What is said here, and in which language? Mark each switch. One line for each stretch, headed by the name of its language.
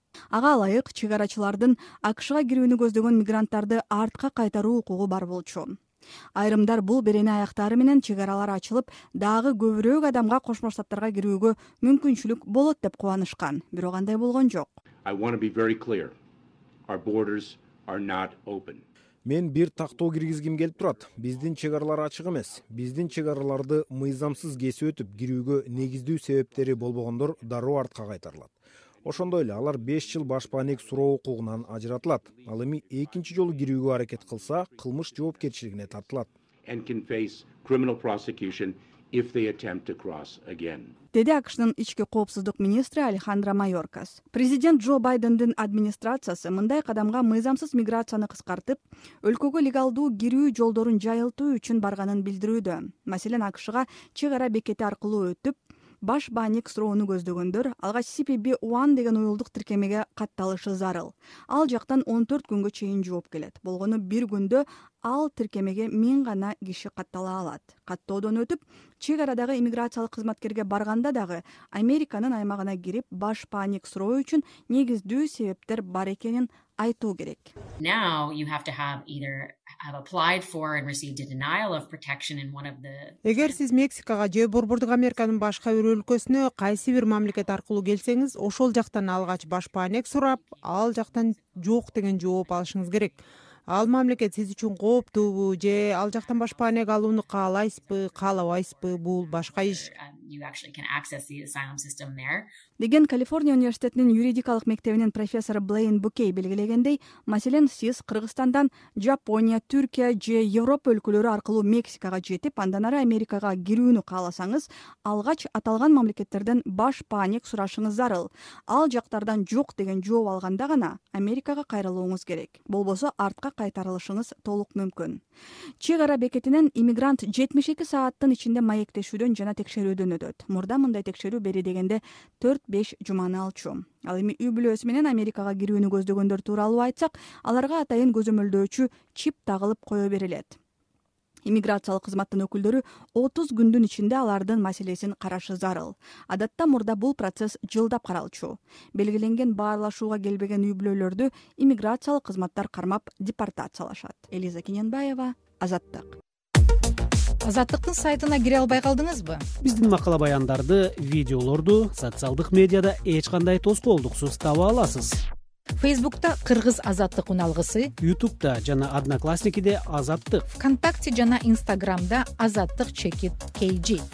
Kyrgyz: Ага ылайык чек арачылардын АКШга кирүүнү көздөгөн мигранттарды артка кайтаруу укугу бар болчу. Айрымдар бул берене аяктары менен чек аралар ачылып, дагы көбүрөөк адамга Кошмо Штаттарга кирүүгө мүмкүнчүлүк болот деп кубанышкан, бирок андай болгон жок.
English: I want to be very clear. Our borders are not open.
Kyrgyz: Мен бир тактоо киргизгим келип турат. Биздин чек аралар ачык эмес. Биздин чек араларды мыйзамсыз кесип өтүп кирүүгө негиздүү себептери болбогондор дароо артка кайтарылат. Ошондой эле алар 5 жыл башпаанек суроо укугунан ажыратылат. Ал эми экинчи жолу кирүүгө аракет кылса, кылмыш жоопкерчилигине тартылат.
English: And can face criminal prosecution if they attempt to cross again.
Kyrgyz: Деди АКШнын ички коопсуздук министри Алехандро Майоркас. Президент Джо Байдендин администрациясы мындай кадамга мыйзамсыз миграцияны кыскартып, өлкөгө легалдуу кирүү жолдорун жайылтуу үчүн барганын билдирүүдө. Маселен, АКШга чек ара бекети аркылуу өтүп, баш бааник суроону көздөгөндөр алгач CPB-1 деген уюлдук тиркемеге катталышы зарыл. Ал жактан 14 күнгө чейин жооп келет. Болгону бир күндө ал тиркемеге миң гана киши каттала алат. Каттоодон өтүп, чек арадагы иммиграциялык кызматкерге барганда дагы Американын аймагына кирип, баш бааник суроо үчүн негиздүү себептер бар экенин айтуу керек.
English: Now you have to have either have applied for and received a denial of protection in one of the
Kyrgyz: Эгер сиз Мексикага же борбордук Американын башка бир өлкөсүнө кайсы бир мамлекет аркылуу келсеңиз, ошол жактан алгач баш бааник сурап, ал жактан жок деген жооп алышыңыз керек. Ал мамлекет сиз үчүн кооптуубу же ал жактан баш бааник алууну каалайсызбы, каалабайсызбы, бул башка иш.
English: You actually can access the asylum system there.
Kyrgyz: Деген Калифорния университетинин юридикалык мектебинин профессору Блейн Букей белгилегендей, маселен, сиз Кыргызстандан Жапония, Түркия же Европа өлкөлөрү аркылуу Мексикага жетип, андан ары Америкага кирүүнү кааласаңыз, алгач аталган мамлекеттерден баш бааник сурашыңыз зарыл. Ал жактардан жок деген жооп алганда гана Америкага кайрылууңуз керек. Болбосо артка кайтарылышыңыз толук мүмкүн. Чек ара бекетинен иммигрант 72 сааттын ичинде маектешүүдөн жана текшерүүдөн өтөт. Мурда мындай текшерүү бери дегенде 4-5 жуманы алчу. Ал эми үй бүлөсү менен Америкага кирүүнү көздөгөндөр тууралуу айтсак, аларга атайын көзөмөлдөөчү чип тагылып кое берилет. Иммиграциялык кызматтын өкүлдөрү 30 күндүн ичинде алардын маселесин карашы зарыл. Адатта мурда бул процесс жылдап каралчу. Белгиленген баарлашууга келбеген үй бүлөлөрдү иммиграциялык кызматтар кармап депортациялашат. Элиза Кененбаева, Азаттык. Азаттыктын сайтына кире албай калдыңызбы? Биздин макала баяндарды, видеолорду социалдык медиада эч кандай тоскоолдуксуз таба аласыз. Фейсбукта Кыргыз Азаттык уналгысы, Ютубта жана Одноклассникиде Азаттык, ВКонтакте жана Инстаграмда Азаттык чекит KG,